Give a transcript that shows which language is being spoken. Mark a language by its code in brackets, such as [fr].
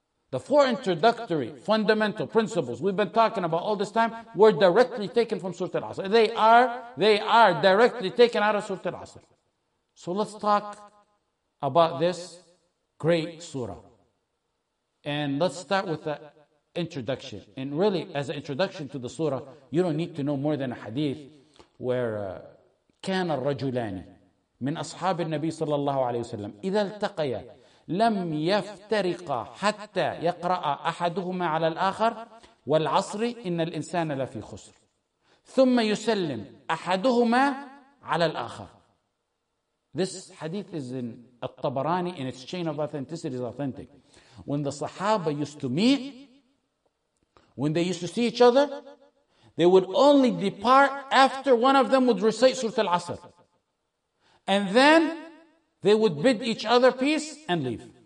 [en] The four introductory fundamental principles we've been talking about all this time were directly taken from Surah Al-Asr. They are directly taken out of Surah Al-Asr. So let's talk about this great surah. And let's start with the introduction. And really, as an introduction to the surah, you don't need to know more than a hadith where [ar] كان الرجلان من أصحاب النبي صلى الله عليه وسلم إذا التقيا لم يفترق حتى يقرأ أحدهما على الآخر والعصر إن الإنسان لفي خسر ثم يسلم أحدهما على الآخر. [en] This hadith is in الطبراني, in its chain of authenticity is authentic. When the Sahaba used to meet, when they used to see each other, they would only depart after one of them would recite Surah Al-Asr. And then they would bid each other peace and leave.